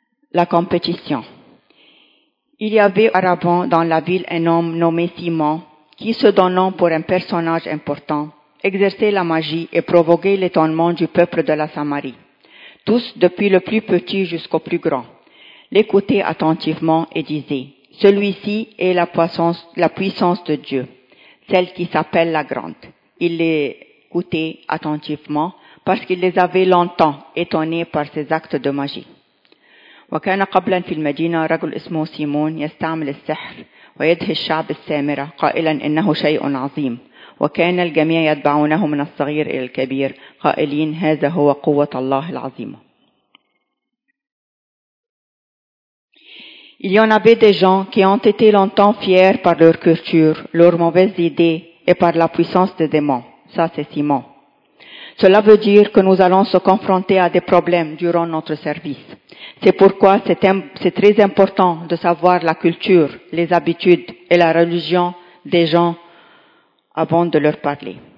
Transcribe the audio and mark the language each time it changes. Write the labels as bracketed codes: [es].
[fr] La compétition. Il y avait auparavant dans la ville un homme nommé Simon, qui, se donnant pour un personnage important, exerçait la magie et provoquait l'étonnement du peuple de la Samarie, tous depuis le plus petit jusqu'au plus grand. L'écoutait attentivement et disait « Celui-ci est la puissance de Dieu, celle qui s'appelle la Grande. » Il l'écoutait attentivement parce qu'il les avait longtemps étonnés par ses actes de magie. [ar] وكان قبلا في المدينة رجل اسمه سيمون يستعمل السحر ويدهش الشعب السامرة قائلا إنه شيء عظيم. وكان الجميع يتبعونه من الصغير إلى الكبير قائلين هذا هو قوة الله العظيمة. [fr] Il y en avait des gens qui ont été longtemps fiers par leur culture, leurs mauvaises idées et par la puissance des démons. Ça, c'est Simon. Cela veut dire que nous allons se confronter à des problèmes durant notre service. C'est pourquoi c'est très important de savoir la culture, les habitudes et la religion des gens avant de leur parler.